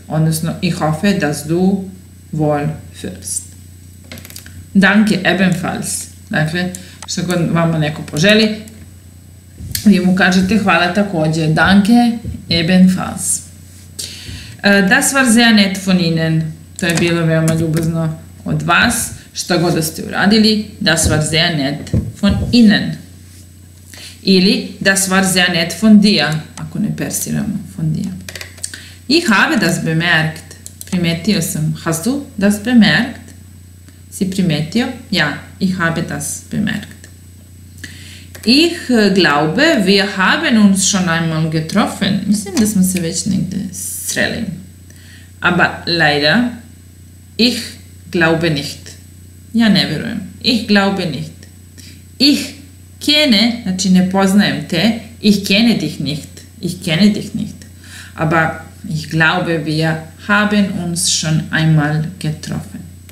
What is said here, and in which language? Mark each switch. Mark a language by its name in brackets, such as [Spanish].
[Serbian] Odnosno, [German] ich hoffe, dass du wohl fühlst. Danke, ebenfalls. [Serbian] Dakle, što god vama neko poželi, vi mu kažete hvala također. [German] Danke, ebenfalls. Das war sehr nett von Ihnen. [Serbian] To je bilo veoma ljubazno od vas. Što god da ste uradili, [German] das war sehr nett von Ihnen. Ili, das war sehr nett von dir. [Serbian] Ako ne persiramo, [German] von dir. Ich habe das bemerkt. [Serbian] Primetio sam. [German] Hast du das bemerkt? [Serbian] Si primetio? [German] Ja, ich habe das bemerkt. Ich glaube, wir haben uns schon einmal getroffen. [Serbian] Mislim da smo se već negde sreli. [German] Aber leider, ich glaube nicht. [Serbian] Ja ne verujem. [German] Ich glaube nicht. Ich kenne, [Serbian] znači ne poznajem te, [German] ich kenne dich nicht. Ich kenne dich nicht. Aber ich glaube, wir haben uns schon einmal getroffen.